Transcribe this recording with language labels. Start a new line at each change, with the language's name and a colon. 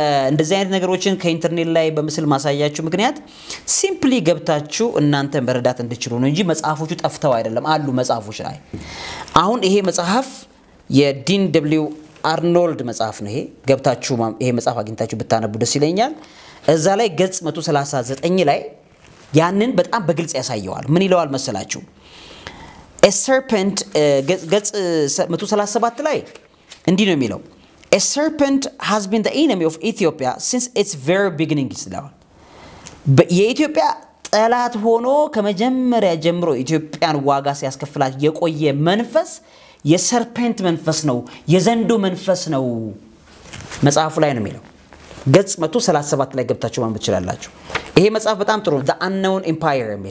Amharic: እንደዚህ አይነት ነገሮችን ከኢንተርኔት ላይ በምስል ማሳያችሁ ምክንያት ሲምፕሊ ገብታችሁ እናንተ መረዳት እንድችሉ ነው እንጂ መጽሐፎቹ ጠፍተው አይደለም፣ አሉ መጽሐፎች ላይ። አሁን ይሄ መጽሐፍ የዲን ደብሊው አርኖልድ መጽሐፍ ነው። ይሄ ገብታችሁ ይሄ መጽሐፍ አግኝታችሁ ብታነቡ ደስ ይለኛል። እዛ ላይ ገጽ 139 ላይ ያንን በጣም በግልጽ ያሳየዋል። ምን ይለዋል መሰላችሁ?
English: A serpent
Amharic: ገጽ 137 ላይ እንዲህ ነው የሚለው።
English: A serpent has been the enemy of Ethiopia since its very beginning is down.
Amharic: በኢትዮጵያ ጠላት ሆኖ ከመጀመሪያ ጀምሮ ኢትዮጵያን ዋጋ ሲያስከፍላት የቆየ መንፈስ የserpent መንፈስ ነው፣ የዘንዶ መንፈስ ነው። መጽሐፉ ላይ ነው የሚለው። ገጽ 137 ላይ ገብታችሁ ማንበብ ትችላላችሁ። ይሄ መጽሐፍ በጣም ጥሩ ነው። The Unknown Empire